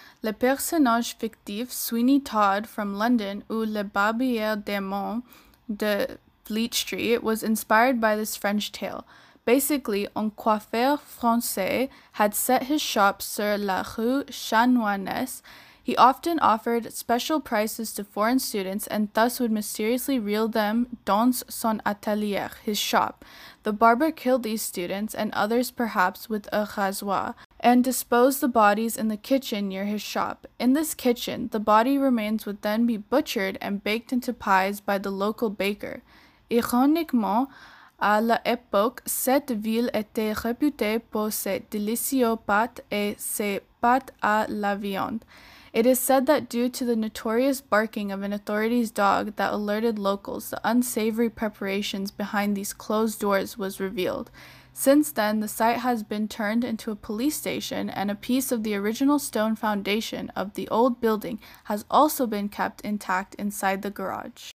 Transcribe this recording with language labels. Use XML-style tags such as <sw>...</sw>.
<fr>Le personnage fictif Sweeney Todd</fr> <en>from London</en> <fr>ou le barbier démon de</fr> <en>Fleet Street was inspired by this French tale. Basically,</en> <fr>un coiffeur français</fr> <en>had set his shop</en> <fr>sur la rue Chanoinesse.</fr> <en>He often offered special prices to foreign students and thus would mysteriously reel them</en> <fr>dans son atelier,</fr> <en>his shop. The barber killed these students and others perhaps with a rasoir and disposed the bodies in the kitchen near his shop. In this kitchen, the body remains would then be butchered and baked into pies by the local baker.</en> <fr>Ironiquement, à l'époque, cette ville était réputée pour ses délicieux pâtes et ses pâtes à la viande.</fr> <en>It is said that due to the notorious barking of an authority's dog that alerted locals, the unsavory preparations behind these closed doors was revealed. Since then, the site has been turned into a police station, and a piece of the original stone foundation of the old building has also been kept intact inside the garage.</en>